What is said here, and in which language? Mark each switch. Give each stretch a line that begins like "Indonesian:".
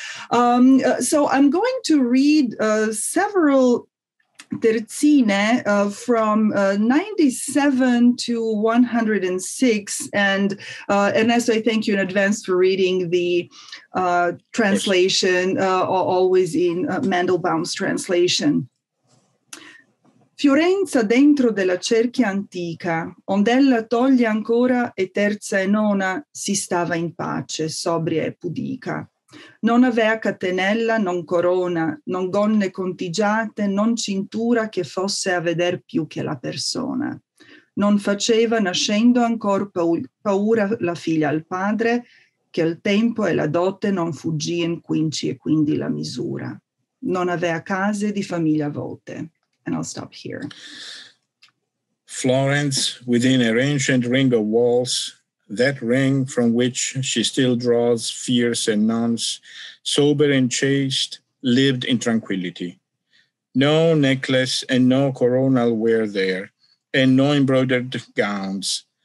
English: So I'm going to read several terzine from 97 to 106. And Ernesto, I thank you in advance for reading the translation, always in Mandelbaum's translation.
Italian: Fiorenza dentro della cerchia antica, ond'ella toglie ancora e terza e nona si stava in pace, sobria e pudica. Non avea catenella, non corona, non gonne contigiate, non cintura che fosse a veder più che la persona. Non faceva nascendo ancor paura la figlia al padre, che il tempo e la dote non fuggì in quinci e quindi la misura. Non avea case di famiglia vote.
English: And I'll stop here. Florence, within her ancient ring of walls, that ring from which she still draws fierce and nuns, sober and chaste, lived in tranquility. No necklace and no coronal wear there, and no embroidered gowns.